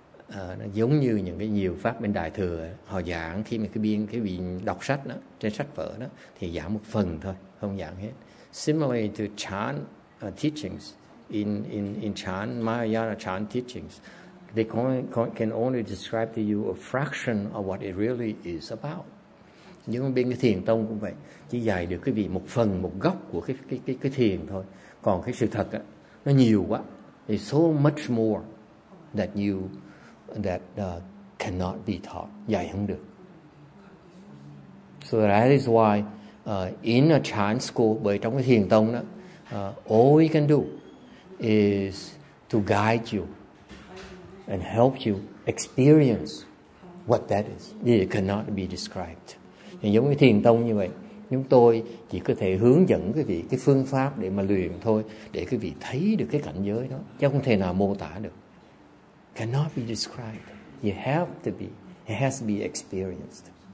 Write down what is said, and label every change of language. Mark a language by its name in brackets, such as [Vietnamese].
[Vietnamese] Nó giống như những cái nhiều pháp bên đại thừa họ giảng khi mà cái biên cái vị đọc sách đó trên sách vở đó thì giảng một phần thôi, không giảng hết. [English] Similarly to Chan teachings in Chan Mahayana Chan teachings, they can only describe to you a fraction of what it really is about. [Vietnamese] Nhưng bên cái thiền tông cũng vậy, chỉ dạy được cái vị một phần, một góc của cái thiền thôi. Còn cái sự thật á, nó nhiều quá. [English] It's so much more that you that cannot be taught. [Vietnamese] Dạy không được. [English] So that is why in a Chan school, [Vietnamese] bởi trong cái thiền tông đó, [English] all we can do is to guide you and help you experience what that is. It cannot be described. [Vietnamese] Giống như thiền tông như vậy, chúng tôi chỉ có thể hướng dẫn quý vị cái phương pháp để mà luyện thôi, để quý vị thấy được cái cảnh giới đó, chứ không thể nào mô tả được. [English] Cannot be described. You have to be, it has to be experienced.